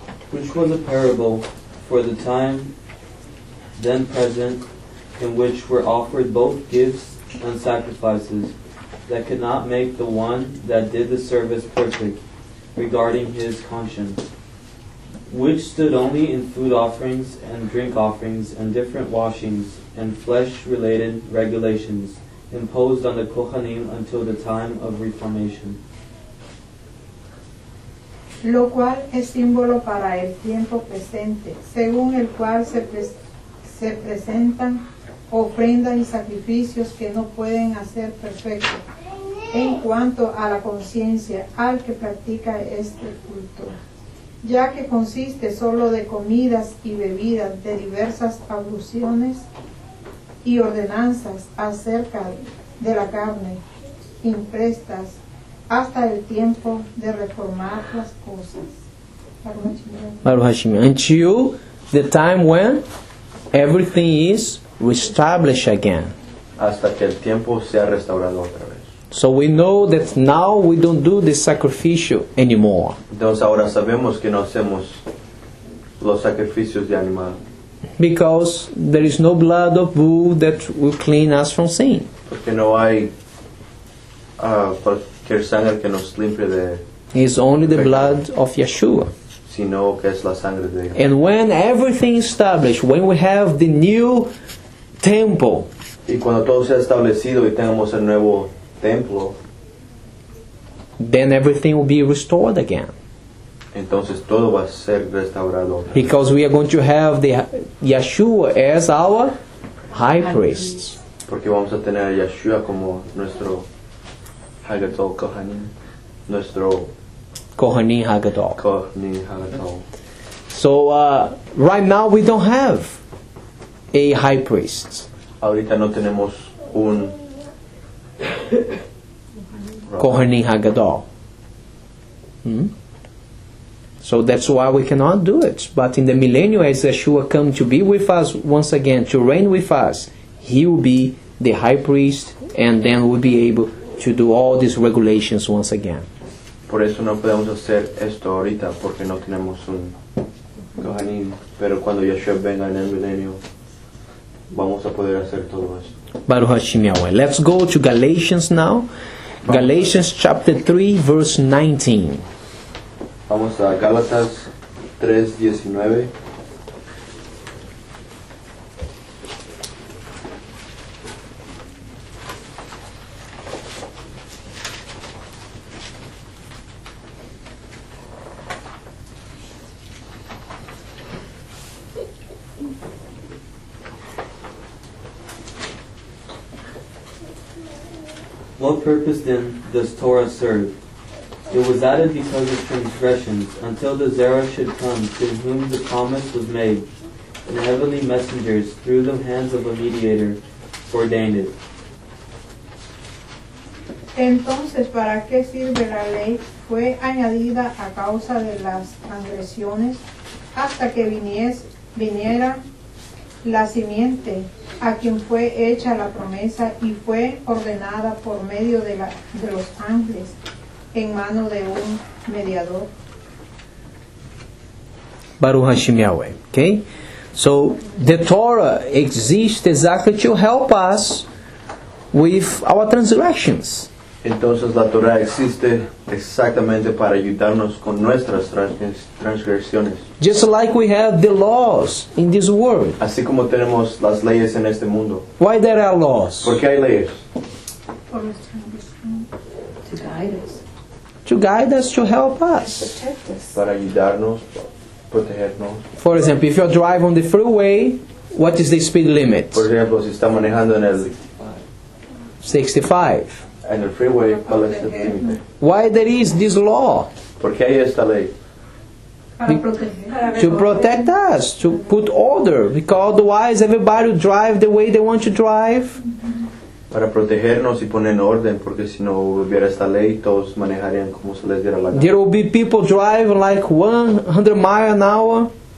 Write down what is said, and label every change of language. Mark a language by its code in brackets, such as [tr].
[en] Which was a parable for the time then present, in which were offered both gifts and sacrifices, that could not make the one that did the service perfect regarding his conscience, which stood only in food offerings and drink offerings and different washings and flesh-related regulations imposed on the Kohanim until the time of Reformation. [es] Lo cual es símbolo para el tiempo presente, según el cual se presentan ofrendas y sacrificios que no pueden hacer perfecto en cuanto a la conciencia al que practica este culto, ya que consiste solo de comidas y bebidas, de diversas abluciones y ordenanzas acerca de la carne imprestas hasta el tiempo de reformar las cosas. [he] Baruch Hashem. [en] Until the time when everything is reestablished again. [es] Hasta que el tiempo sea restaurado otra vez. [en] So we know that now we don't do the sacrificio anymore. [es] Entonces ahora sabemos que no hacemos los sacrificios de animal. [en] Because there is no blood of bull that will clean us from sin. [es] Porque no hay sangre que nos limpie de [en] is only the pecado, blood of Yeshua. [es] Sino que es la sangre de [en] and when everything is established, when we have the new temple, [es] y cuando todo sea establecido y tengamos el nuevo templo, [en] then everything will be restored again. [es] Entonces todo va a ser restaurado. [en] Because we are going to have the Yeshua as our high priest. [es] Porque vamos a tener a Yeshua como nuestro Hagadol Kohanim, nuestro [he] Kohanim Hagadol. Kohanim Hagadol. [en] So right now we don't have a high priest. [es] Ahorita no tenemos un [en] Kohanim Hagadol. So that's why we cannot do it. But in the millennium, as Yeshua comes to be with us once again, to reign with us, he will be the high priest, and then we'll be able to do all these regulations once again. [es] Por eso no podemos hacer esto ahorita, porque no tenemos un Kohanim. Pero cuando Yeshua venga en el milenio, vamos a poder hacer todo esto. [he] Baruch Hashem Yahweh. [en] Let's go to Galatians now. [es] Vamos. [en] Galatians chapter 3, verse 19. [es] Vamos a Gálatas 3, 19. [en] What purpose then does Torah serve? It was added because of transgressions, until the Zera should come to whom the promise was made, and heavenly messengers through the hands of a mediator ordained it. [es] Entonces, ¿para qué sirve la ley? Fue añadida a causa de las transgresiones, hasta que viniera la simiente a quien fue hecha la promesa y fue ordenada por medio de los ángeles en mano de un mediador. [he] Baruch Hashem Yahweh. Okay? [en] So the Torah exists exactly to help us with our transgressions. [es] Entonces la Torah existe exactamente para ayudarnos con nuestras transgresiones. [en] Just like we have the laws in this world. [es] Así como tenemos las leyes en este mundo. [en] Why there are laws? [es] ¿Por qué hay leyes? [en] For us to guide us. To guide us, to help us. To protect us. [es] Para ayudarnos, protegernos. [en] For example, if you drive on the freeway, what is the speed limit? [es] Por ejemplo, si está manejando en el [en] 65. And the freeway, [es] ¿cuál es el límite? [en] Why there is this law? [es] ¿Por qué hay esta ley? [en] To protect us, to put order, because otherwise everybody will drive the way they want to drive. [es] Para protegernos y poner en orden, porque si no hubiera esta ley, todos manejarían como se les diera la gana. [en] There will be people driving like 100 miles an hour.